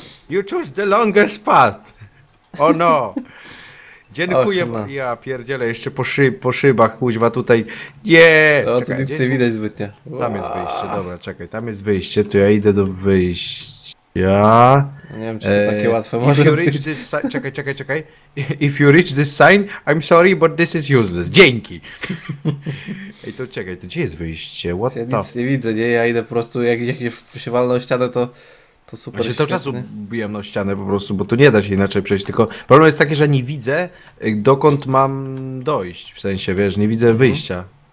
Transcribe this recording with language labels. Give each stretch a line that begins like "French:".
English: You choose the longest path. Oh no.
Polish: Dziękuję. Och, ja pierdzielę, jeszcze po szybach, kuźwa tutaj. Nie! O, tu nic nie widać zbytnio. Tam jest wyjście, dobra, czekaj, tam jest wyjście, to ja idę do wyjścia. Nie wiem, czy to takie łatwe może być. Czekaj.
English: If you reach this sign, I'm sorry, but this is useless.
Polish: Dzięki! Ej, to czekaj, to gdzie jest wyjście?
English: What
Polish: ja nic nie widzę, nie? Ja idę po prostu, jak się walną ścianę, to... To super. Ja się cały czas ubijam na ścianę po prostu, bo tu nie da się inaczej przejść, tylko problem jest taki, że nie widzę, dokąd mam dojść, w sensie, wiesz, nie widzę wyjścia.